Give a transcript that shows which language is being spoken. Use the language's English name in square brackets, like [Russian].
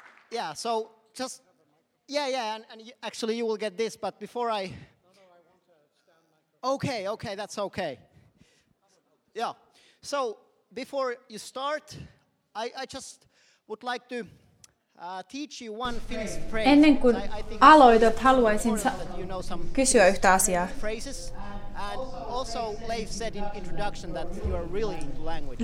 [English] Yeah, so just, and you, actually you will get this, but before I... No, I want to stand microphone. Okay, that's okay. Yeah, so before you start, I just would like to teach you one Finnish phrase. [Finnish] Ennen kuin aloitat, haluaisin kysyä yhtä asiaa. [English] And also Leif said in introduction that you are really into language.